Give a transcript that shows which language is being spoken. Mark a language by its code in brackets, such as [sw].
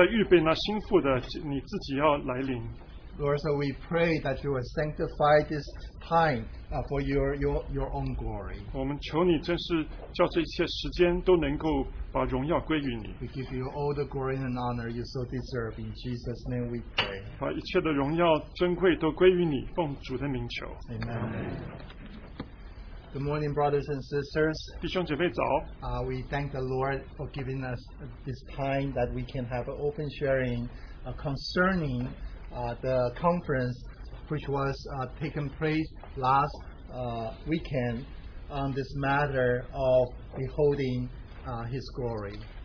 [zh] 主，我们在你跟前聚集，我们真是求你赐给我们意象，看见，主，你是那在预备那心腹的，你自己要来临。 [en] Lord, so we pray that you will sanctify this time for your own glory. [zh] 我们求你真是叫这一切时间都能够把荣耀归于你。 [en] We give you all the glory and honor you so deserve. In Jesus' name we pray. [zh] 把一切的荣耀珍贵都归于你，奉主的名求。 [en] Amen. Good morning, brothers and sisters. [zh] 弟兄姐妹早。 [en] We thank the Lord for giving us this time that we can have an open sharing concerning the conference which was taken place last weekend on this matter of beholding his glory.